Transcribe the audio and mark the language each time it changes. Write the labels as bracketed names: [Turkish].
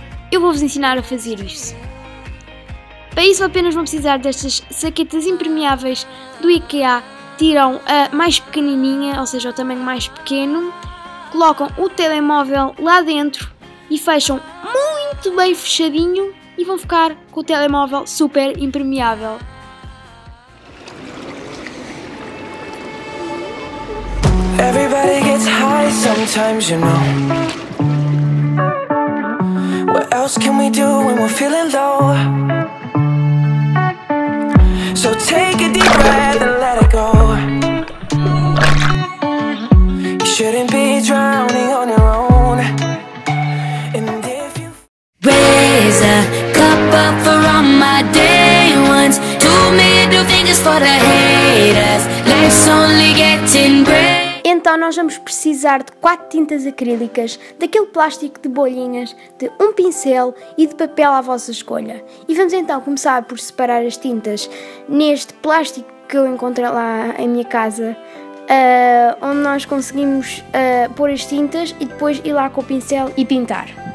[Portuguese] Eu vou-vos ensinar a fazer isso. Para isso apenas vão precisar destas saquetas impermeáveis do IKEA, tiram a mais pequenininha, ou seja, o tamanho mais pequeno, colocam o telemóvel lá dentro e fecham muito bem fechadinho e vão ficar com o telemóvel super impermeável. [English] Everybody gets high sometimes, you know. What else can we do when we're feeling low? So take a deep breath and let it go. You shouldn't be drowning on your own. And if you raise a cup up for all my day ones, two middle fingers for the haters. Life's only getting great. [Portuguese] Então nós vamos precisar de 4 tintas acrílicas, daquele plástico de bolhinhas, de um pincel e de papel à vossa escolha. E vamos então começar por separar as tintas neste plástico que eu encontrei lá em minha casa, onde nós conseguimos pôr as tintas e depois ir lá com o pincel e pintar.